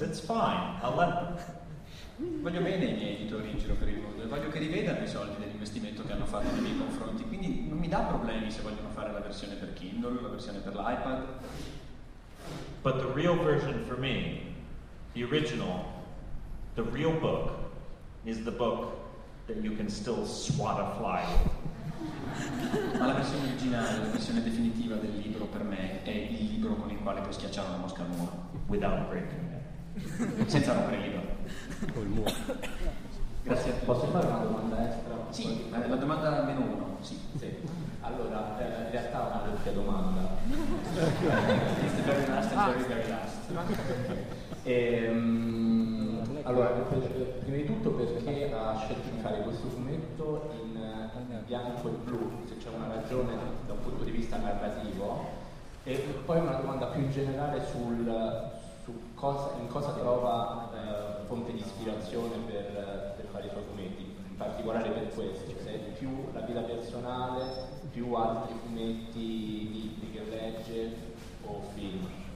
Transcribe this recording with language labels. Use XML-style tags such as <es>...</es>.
<en>It's fine. I'll let them.</en> <it>Voglio bene i miei editori in giro per il mondo. Voglio che rivedano i soldi dell'investimento che hanno fatto nei miei confronti. Quindi non mi dà problemi se vogliono fare la versione per Kindle, la versione per l'iPad.</it> <en>But the real version for me, the original, the real book, is the book that you can still swat a fly with.</en> <it>Ma la versione originale, la versione definitiva del libro per me è il libro con il quale puoi schiacciare una mosca al muro.</it> <en>Without breaking it.</en> <it>Senza rompere il libro. Con il muro. Grazie. Posso fare una domanda extra? Sì, la domanda almeno uno. Sì. Sì. Allora, in realtà una doppia domanda.</it> <en>It's the very last and very, very last.</en> <it>Allora, prima di tutto, perché ha scelto di fare questo fumetto in bianco e blu, se c'è una ragione da un punto di vista narrativo, e poi una domanda più in generale su cosa, in cosa trova fonte di ispirazione per fare i suoi fumetti, in particolare per questo, cioè più la vita personale, più altri fumetti, libri che legge o film.</it>